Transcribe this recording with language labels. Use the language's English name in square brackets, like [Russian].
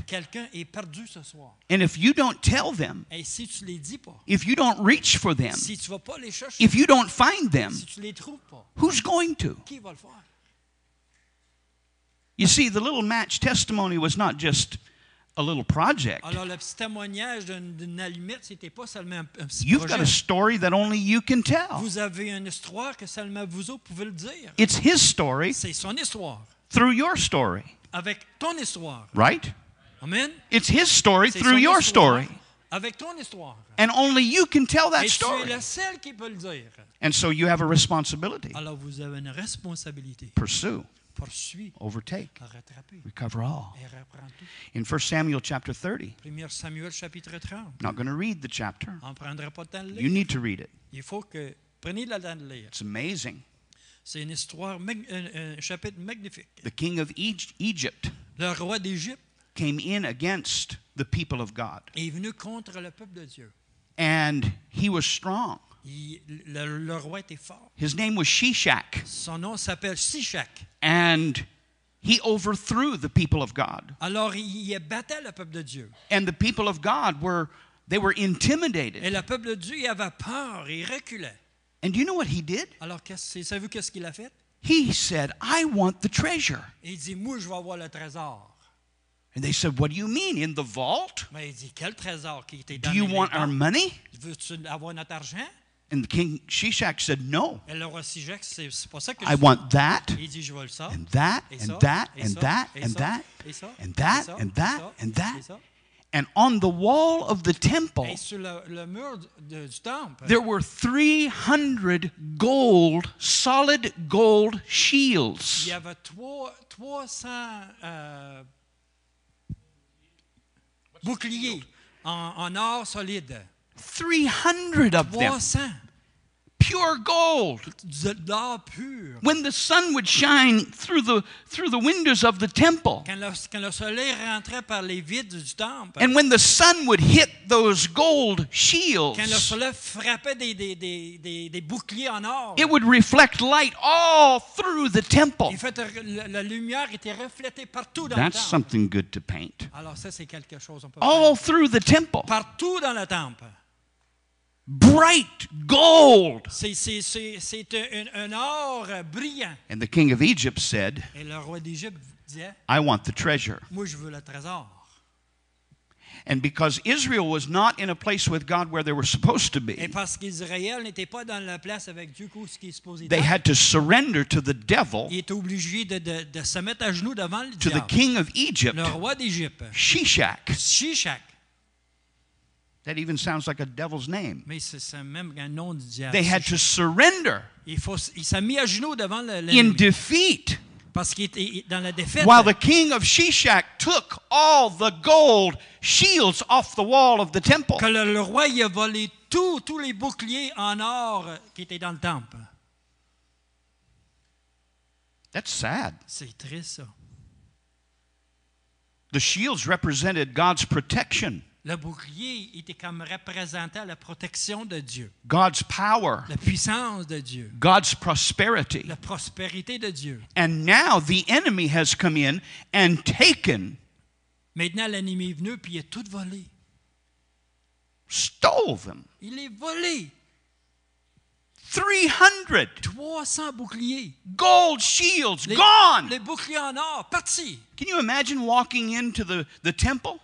[French] Quelqu'un est perdu ce soir. [English] And if you don't tell them, [French] et si tu les dis pas, [English] if you don't reach for them, [French] si tu vas pas les chercher, [English] if you don't find them, [French] si tu les trouves pas, [English] who's going to? [French] Qui va le faire? [English] You see, the little match testimony was not just a little project. [French] Alors, le petit témoignage d'une allumette, c'était pas seulement un petit [English] You've [French] projet. [English] Got a story that only you can tell. [French] Vous avez une histoire que seulement vous autres pouvez le dire. [English] It's his story. [French] C'est son histoire. [English] Through your story. [French] Avec ton histoire. [English] Right? Amen. It's his story [French] C'est [English] through your story. [French] Avec ton histoire. [English] And only you can tell that [French] Et [English] story. [French] Tu es la seule qui peut le dire. [English] And so you have a responsibility. [French] Alors, vous avez une responsabilité. [English] Pursue. [French] Poursuit, [English] overtake, [French] rattraper, [English] recover all. [French] Et reprend tout. [English] In 1 Samuel chapter 30, [French] 1 Samuel, chapitre 30. [English] Not going to read the chapter. [French] On prendra pas temps de lire. [English] You need to read it. [French] Il faut que prenez le temps de lire. [English] It's amazing. [French] C'est une histoire, un chapitre magnifique. [English] The king of Egypt, [French] le roi d'Égypte, [English] came in against the people of God. [French] Est venu contre le peuple de Dieu. [English] And he was strong. [French] Le roi était fort. [English] His name was Shishak. [French] Son nom s'appelle Shishak. [English] And he overthrew the people of God. [French] Alors, il a battu le peuple de Dieu. [English] And the people of God were, they were intimidated. [French] Et le peuple de Dieu, il avait peur, il reculait. [English] And do you know what he did? [French] Alors, savez-vous qu'est-ce qu'il a fait? [English] He said, I want the treasure. [French] Il dit, moi, je vais avoir le trésor. [English] And they said, what do you mean, in the vault? [French] Mais il dit, quel trésor qui était [English] dans do you want our money? [French] Veux-tu avoir notre argent? [English] And the king Shishak said, no. [French] Et le roi Shishak, c'est pas ça que [English] I want that, [French] il dit, je veux ça, [English] and that, and that, and that, and that, and that, and that, and that. And on the wall of the temple, [French] et sur le mur du temple, [English] there were 300 gold, solid gold shields. [French] Il y avait 300... bouclier en or solide. [English] 300 of them. [French] 300. [English] Pure gold. [French] De l'or pur. [English] When the sun would shine through the windows of the temple. [French] Quand le soleil rentrait par les vitres du temple. [English] And when the sun would hit those gold shields. [French] Quand le soleil frappait des boucliers en or. [English] It would reflect light all through the temple. [French] En fait, la lumière était reflétée partout dans [English] That's [French] le temple. [English] That's something good to paint. [French] Alors ça, c'est quelque chose. [English] All through the temple. [French] Partout dans le temple. [English] Bright gold. [French] C'est un or brillant. [English] And the king of Egypt said, [French] et le roi d'Égypte disait, [English] I want the treasure. [French] Moi, je veux le trésor. [English] And because Israel was not in a place with God where they were supposed to be, [French] et parce qu'Israël n'était pas dans la place avec Dieu où ce qui est supposé être, [English] they had to surrender to the devil. [French] Il était obligé de se mettre à genoux devant le diable. [English] To the king of Egypt, [French] le roi d'Égypte, [English] Shishak. [French] Shishak. [English] That even sounds like a devil's name. [French] Mais c'est même un nom du diable. [English] They had to surrender. [French] Il s'est mis à genoux devant le [English] in defeat. [French] Parce qu'il était dans la défaite. [English] While the king of Shishak took all the gold shields off the wall of the temple. [French] Que le roi il a volé tous les boucliers en or qui étaient dans le temple. [English] That's sad. [French] C'est triste ça. [English] The shields represented God's protection. [French] Le bouclier était comme représentant la protection de Dieu. [English] God's power. [French] La puissance de Dieu. [English] God's prosperity. [French] La prospérité de Dieu. [English] And now the enemy has come in and taken. [French] Maintenant l'ennemi est venu puis il a tout volé. [English] Stole them. [French] Il les a volés. [English] 300. [French] 300 boucliers. [English] Gold shields gone. [French] Les boucliers en or partis. [English] Can you imagine walking into the temple?